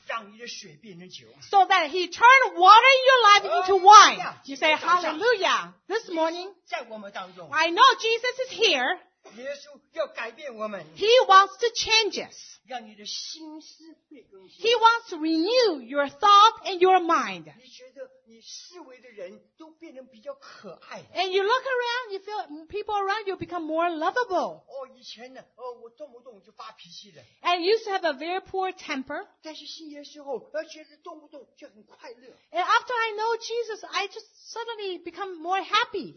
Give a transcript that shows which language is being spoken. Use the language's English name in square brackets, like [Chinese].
[English] So that he turned water in your life into wine. You say hallelujah. This morning, I know Jesus is here. [Chinese] 耶稣要改变我们 [English] He wants to change us. [Chinese] 让你的心思被更新。 [English] He wants to renew your thought and your mind. [Chinese] 你觉得你思维的人都变得比较可爱。 [English] And you look around, you feel people around you become more lovable. [Chinese] 哦，以前呢，哦，我动不动就发脾气的。 [English] And you used to have a very poor temper. [Chinese] 但是信耶稣后，而且是动不动就很快乐。 [English] And after I know Jesus, I just suddenly become more happy.